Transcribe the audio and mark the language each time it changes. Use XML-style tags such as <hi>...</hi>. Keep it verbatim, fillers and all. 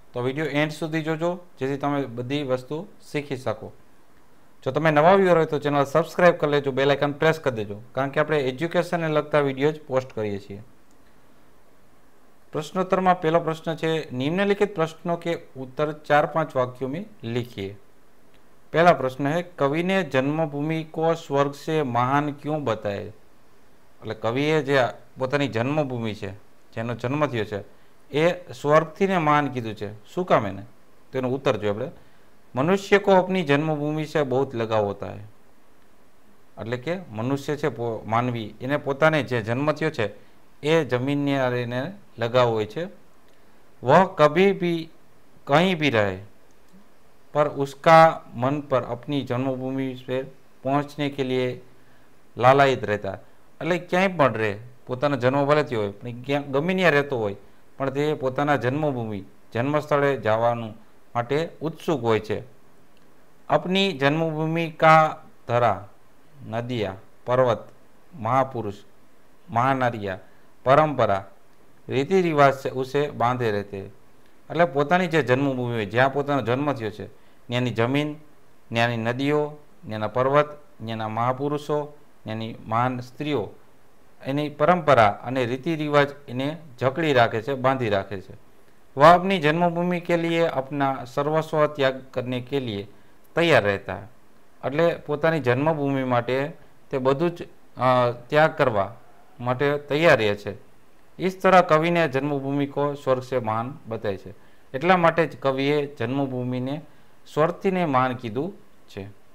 <gu>તો video and સુધી જોજો જેથી તમે બધી વસ્તુ શીખી શકો. જો તમે નવા વ્યૂઅર હોય તો ચેનલ સબસ્ક્રાઈબ કરી લેજો, બેલ આઇકન પ્રેસ કરી દેજો, કારણ કે આપણે એજ્યુકેશનને લગતા વિડીયો જ પોસ્ટ કરીએ છીએ. પ્રશ્નોત્તરમાં પહેલો પ્રશ્ન છે,</gu> <hi>નિમ્નલિખિત પ્રશ્નો કે ઉત્તર ચાર પાંચ વાક્યો में लिखिए. पहला प्रश्न है, कवि ने जन्मभूमि को स्वर्ग से महान क्यों बताए?</hi> <gu>એટલે કવિએ જે પોતાની જન્મભૂમિ છે, જેનો જન્મ થયો છે, એ સ્વર્ગથી ને મહાન કીધું છે. શું કામ એને? તો એનો ઉત્તર જોઈએ આપણે,</gu> <hi>मनुष्य को अपनी जन्मभूमि से बहुत लगाव होता है.</hi> <gu>એટલે કે મનુષ્ય છે, માનવી, એને પોતાને જે જન્મ થયો છે એ જમીનને એને લગાવ હોય છે.</gu> <hi>वह कभी भी कहीं भी रहे पर उसका मन पर अपनी जन्मभूमि पे पहुंचने के लिए लालायित रहता.</hi> <gu>એટલે ક્યાંય પણ રહે, પોતાનો જન્મ ભલે થયો હોય પણ ક્યાં ગમે ત્યાં રહેતો હોય, પણ તે પોતાના જન્મભૂમિ જન્મ સ્થળે જવાનું માટે ઉત્સુક હોય છે.</gu> <hi>આપની જન્મભૂમિ કા ધરા, નદીયા, પર્વત, महापुरुष, महानारिया, પરંપરા, રીતિ રિવાજ છે ઉસે બાંધે રહેતે.</hi> <gu>એટલે પોતાની જે જન્મભૂમિ હોય, જ્યાં પોતાનો જન્મ થયો છે, ત્યાંની જમીન, ત્યાંની નદીઓ, ત્યાંના પર્વત, ત્યાંના મહાપુરુષો, ત્યાંની મહાન સ્ત્રીઓ, એની પરંપરા અને રીતિ રિવાજ એને જકડી રાખે છે, બાંધી રાખે છે.</gu> <hi>वह अपनी जन्मभूमि के लिए अपना सर्वस्व त्याग करने के लिए तैयार रहता है.</hi> <gu>એટલે પોતાની જન્મભૂમિ માટે તે બધું જ ત્યાગ કરવા માટે તૈયાર રહે છે.</gu> <hi>इस तरह કવિને જન્મભૂમિ કો સ્વર્ગ સે મહાન બતાય છે.</hi> <gu>એટલા માટે જ કવિએ જન્મભૂમિને સ્વર્ગથીને મહાન કીધું છે.</gu>